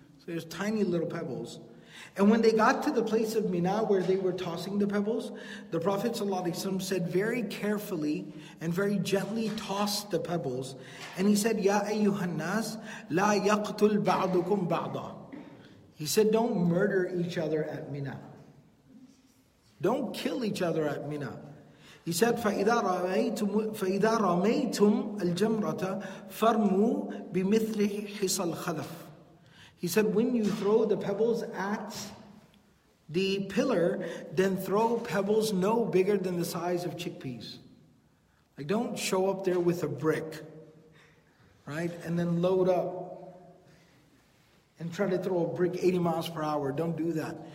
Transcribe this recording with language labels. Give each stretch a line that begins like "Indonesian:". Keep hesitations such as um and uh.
English: So there's tiny little pebbles. And when they got to the place of Mina where they were tossing the pebbles, the Prophet ﷺ said very carefully and very gently tossed the pebbles. And he said,
Arabic: Ya ayyuhannas, la yaqtul ba'dukum ba'da.
English: He said, don't murder each other at Mina. Don't kill each other at Mina. He said,
Arabic: فإذا رميتم, فإذا رميتم الجمرة فرموا بمثله حصى الخلف.
English: He said, when you throw the pebbles at the pillar, then throw pebbles no bigger than the size of chickpeas. Like, don't show up there with a brick. right? And then load up and try to throw a brick 80 miles per hour. Don't do that.